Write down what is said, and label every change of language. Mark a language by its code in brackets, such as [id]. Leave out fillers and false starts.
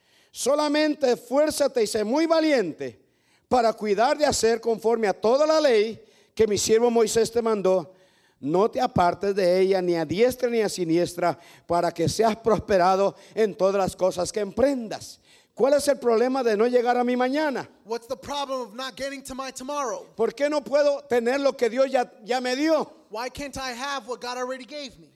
[es] Solamente esfuérzate y sé muy valiente para cuidar de hacer conforme a toda la ley que mi siervo Moisés te mandó. No te apartes de ella ni a diestra ni a siniestra, para que seas prosperado en todas las cosas que emprendas. ¿Cuál es el problema de no llegar a mi mañana? [en] What's the problem of not getting to my tomorrow? [es] ¿Por qué no puedo tener lo que Dios ya me dio? [en] Why can't I have what God already gave me?